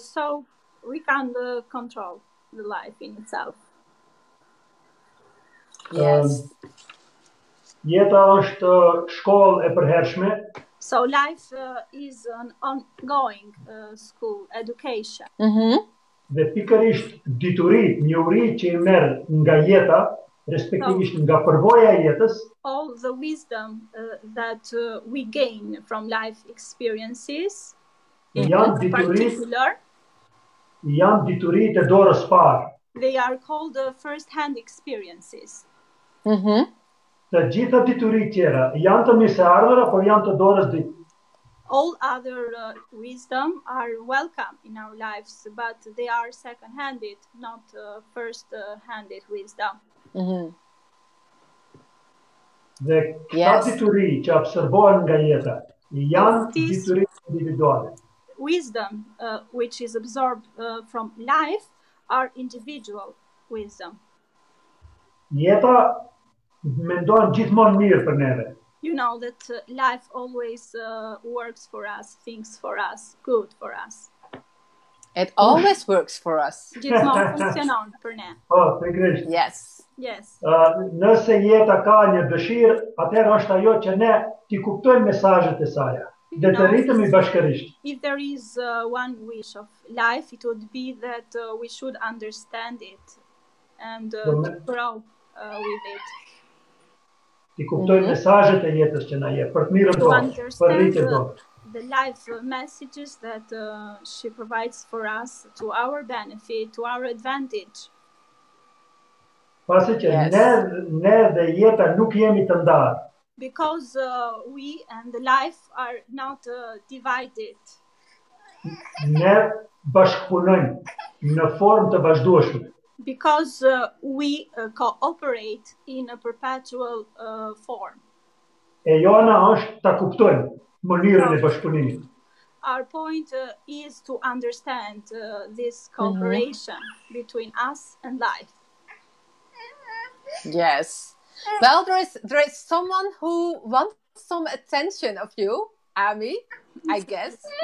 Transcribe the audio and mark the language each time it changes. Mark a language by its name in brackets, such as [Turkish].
[English] So we can't control the life in itself. Yes. [Albanian] Jeta është shkollë e përhershme. [English] So life is an ongoing school education. [Albanian] Dhe pikërisht dituri, njohuri që I merr nga jeta, respektivisht nga përvoja e jetës. [English] All the wisdom that we gain from life experiences in particular, [Albanian] janë diturit e dorës parë. [English] They are called the first-hand experiences. [Albanian] Të gjitha diturit tjera janë të mesardhëra, por janë të dorës ditë. [English] All other wisdom are welcome in our lives, but they are second-handed, not first-handed wisdom. [Albanian] Dhe këta dituri që absorbohen nga jeta janë dituri individuale. [English] Wisdom which is absorbed from life our individual wisdom. [Albanian] Jeta mendon gjithmonë mirë për neve. [English] You know that life always works for us, thinks for us, good for us. It always works for us. [Albanian] Gjithmonë funksionon për ne. Po, sigurisht. [English] Yes. Yes. [Albanian] Nëse jeta ka një dëshirë, atëherë është ajo që ne ti kuptojmë mesazhet e saj. Dhe të rritëm I bashkërisht. [English] If there is one wish of life, it would be that we should understand it and grow with it. [Albanian] Ti kuptojmë mesazhet e jetës që na jep për të mirën tonë, për rritjen tonë. [English] The life messages that she provides for us to our benefit, to our advantage. [Albanian] Pasi që ne dhe jeta nuk jemi të ndarë. [English] Because we and the life are not divided. [Albanian] Ne bashkëpunojmë në formë të vazhdueshme. [English] Because we cooperate in a perpetual form. [Albanian] E jona është ta kuptojmë. Mënyrën e bashkëpunimit. [English] Our point is to understand this cooperation between us and life. Yes. Well, there is someone who wants some attention of you, Ami, I guess.